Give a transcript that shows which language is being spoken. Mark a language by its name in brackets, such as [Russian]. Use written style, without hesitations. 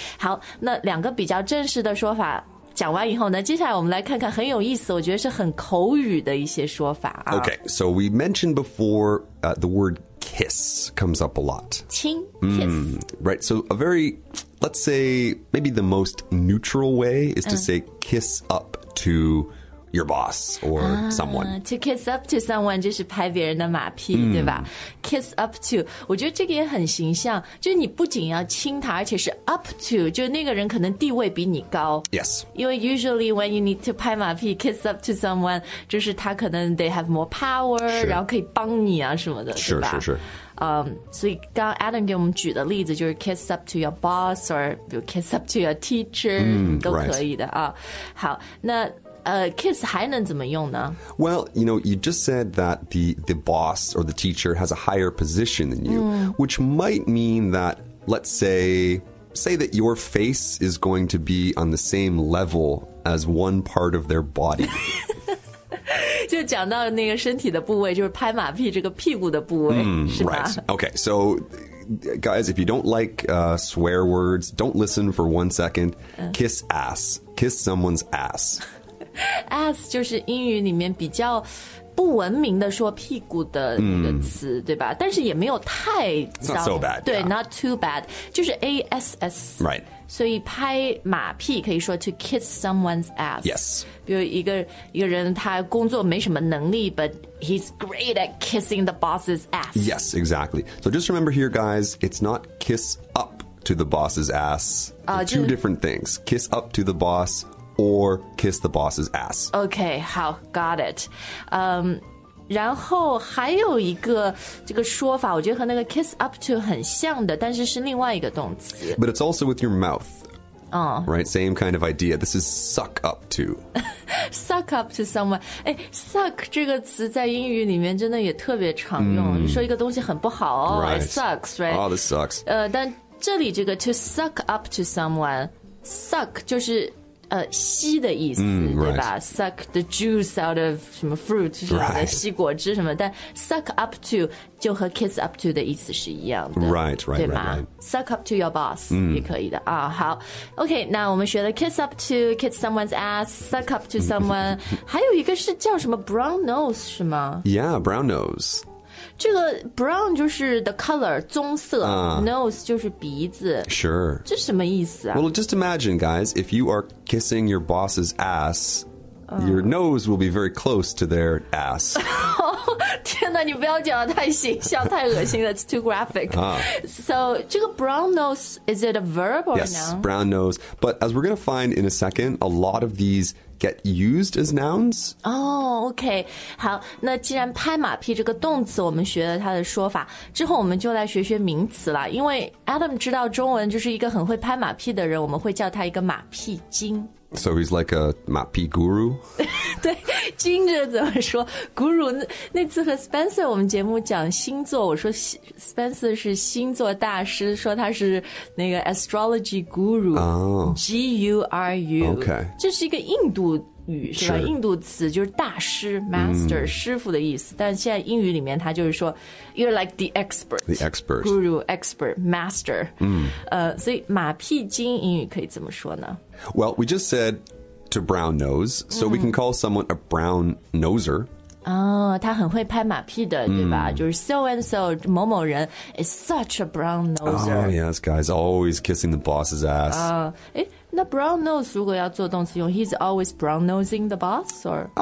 [Chinese] 好，那两个比较正式的说法讲完以后呢，接下来我们来看看很有意思，我觉得是很口语的一些说法啊。 [English] Okay, so we mentioned before, the word kiss comes up a lot. [Chinese] 亲 kiss. [English] Right, so a very, let's say, maybe the most neutral way is to say kiss up to... your boss or someone. To kiss up to someone [Chinese] 就是拍别人的马屁、对吧 kiss up to 我觉得这个也很形象就是你不仅要亲他而且是 up to 就那个人可能地位比你高 [English] yes [Chinese] 因为 [English] usually when you need to [Chinese] 拍马屁 [English] kiss up to someone [Chinese] 就是他可能 [English] they have more power、 sure. [Chinese] 然后可以帮你啊什么的 [English] sure, [Chinese] 对吧 [English] sure, sure. [Chinese] 所以刚 Adam 给我们举的例子就是 [English] kiss up to your boss or kiss up to your teacher、 [Chinese] 都可以的啊、 [English] right. [Chinese] 好那kiss 还能怎么用呢 [English] Well, you know, you just said that the boss or the teacher has a higher position than you,、which might mean that, let's say that your face is going to be on the same level as one part of their body. [Chinese] 就讲到那个身体的部位就是拍马屁这个屁股的部位、是吧 [English] Right. Okay, so guys, if you don't like swear words, don't listen for one second.、Kiss ass. Kiss someone's ass. [Chinese] Ass 就是英语里面比较不文明的说屁股的那个词、mm. 对吧但是也没有太脏 [English] not so bad [Chinese] 对、 [English] yeah. not too bad 就是 ass right [Chinese] 所以拍马屁可以说 [English] to kiss someone's ass yes [Chinese] 比如一个人他工作没什么能力 [English] but he's great at kissing the boss's ass yes exactly so just remember here guys it's not kiss up to the boss's ass two different things kiss up to the bossOr kiss the boss's ass. Okay, 好 got it. [Chinese] 然后还有一个这个说法，我觉得和那个 kiss up to 很像的，但是是另外一个动词。 [English] But it's also with your mouth. Right, same kind of idea. This is suck up to. suck up to someone. [Chinese] 哎 ，suck 这个词在英语里面真的也特别常用。 Mm. 说一个东西很不好哦 [English] right. ，it sucks, right? Oh, this sucks. [Chinese] 但这里这个 [English] to suck up to someone, suck 就是。 [Chinese] 吸的意思、 [English] right. [Chinese] 对吧 [English] suck the juice out of 什么 fruit 什么的、 right. [Chinese] 吸果汁什么但 suck up to 就和 kiss up to 的意思是一样的 [English] right, [Chinese] 对吧 [English] right. suck up to your boss、 [Chinese] 也可以的啊好 OK 那我们学了 [English] kiss up to kiss someone's ass suck up to someone [Chinese] 还有一个是叫什么 brown nose 是吗 [English] yeah brown nose [Chinese] 这个 brown 就是 the color, 棕色、nose 就是鼻子。 [English] Sure. [Chinese] 这什么意思啊 [English] Well, just imagine, guys, if you are kissing your boss's ass,、your nose will be very close to their ass. [Chinese] 天哪你不要讲得太形象太恶心 [English] That's too graphic.、So, 这个 brown nose, is it a verb or yes, a noun? Yes, brown nose. But as we're going to find in a second, a lot of these... get used as nouns? Oh, okay. [Chinese] 好那既然拍马屁这个动词我们学了它的说法之后我们就来学学名词了因为 Adam 知道中文就是一个很会拍马屁的人我们会叫他一个马屁精。 [English] So he's like a 马屁 guru? [Chinese] 对精这怎么说 guru 那次和 Spencer 我们节目讲星座我说 Spencer 是星座大师说他是那个 [English] astrology guru、 [Chinese] G-U-R-U [English] okay. [Chinese] 这是一个印度语是吧、 [English] sure. [Chinese] 印度词就是大师 master、师傅的意思但现在英语里面他就是说 [English] you're like the expert guru expert master、 [Chinese] 所以马屁精英语可以怎么说呢 [English] well we just said to brown nose so、we can call someone a brown noser、 [Chinese] 他很会拍马屁的、对吧就是 so and so 某某人 [English] is such a brown noser、 yes guys always kissing the boss's ass、那 brown nose [Chinese] 如果要做动词用 [English] he's always brown nosing the boss or